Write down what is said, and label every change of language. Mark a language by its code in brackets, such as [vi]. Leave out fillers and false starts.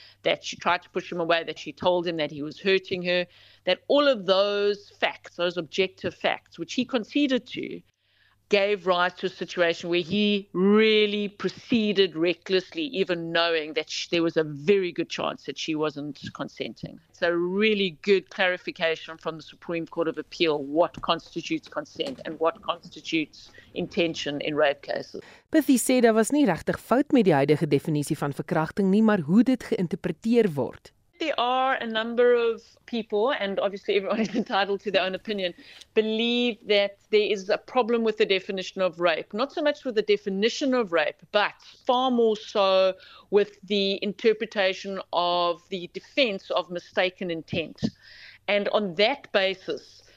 [en] that she tried to push him away, that she told him that he was hurting her, that all of those facts, those objective facts, which he conceded to, gave rise to a situation where he really proceeded recklessly, even knowing that there was a very good chance that she wasn't consenting. It's a really good clarification from the Supreme Court of Appeal what constitutes consent and what constitutes intention in rape cases. [af] Pithy sê daar was nie regtig fout met die huidige definisie van verkrachting nie, maar hoe dit geïnterpreteer word. [en] There are a number of people, and obviously everyone is entitled to their own opinion, believe that there is a problem with the definition of rape. Not so much with the definition of rape, but far more so with the interpretation of the defense of mistaken intent. And on that basis,